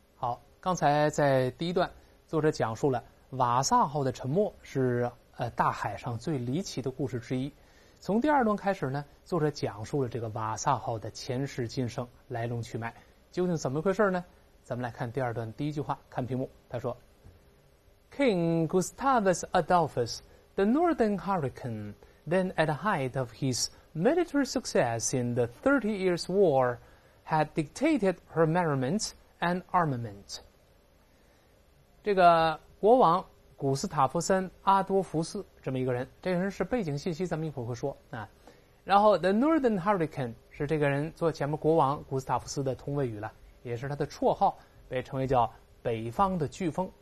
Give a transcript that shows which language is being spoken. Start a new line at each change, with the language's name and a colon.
Chinese: 好，刚才在第一段，作者讲述了瓦萨号的沉没是大海上最离奇的故事之一。从第二段开始呢，作者讲述了这个瓦萨号的前世今生、来龙去脉，究竟怎么回事呢？咱们来看第二段第一句话，看屏幕，他说
English: ：“King Gustavus Adolphus, the Northern Hurricane, then at the height of his military success in the Thirty Years' War, had dictated her measurements.” And armament.
Chinese: 这个国王古斯塔夫森阿多福斯这么一个人，这个人是背景信息，咱们一会儿会说啊。然后 The Northern Hurricane 是这个人做前面国王古斯塔夫斯的同位语了，也是他的绰号，被称为叫北方的飓风。